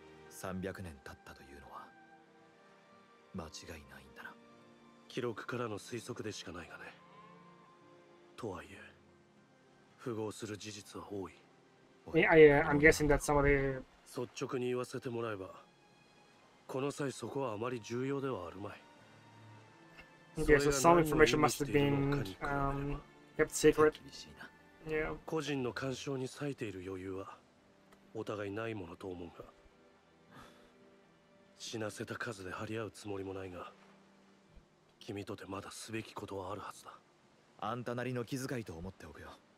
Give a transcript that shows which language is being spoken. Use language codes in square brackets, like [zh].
[ja] 300年経ったというのは間違いないんだな。記録からの推測でしかないがね。とはいえ符合する事実は多い。 [en] I'm guessing that some of the [ja] 率直に言わせてもらえば、この際そこはあまり重要ではあるまい。 [en] Okay, so some information must have been kept secret. Yeah. [ja] 個人の干渉に割いている余裕はお互いないものと思うが、死なせた数で張り合うつもりもないが、君とてまだすべきことはあるはずだ。あんたなりの気遣いと思っておくよ。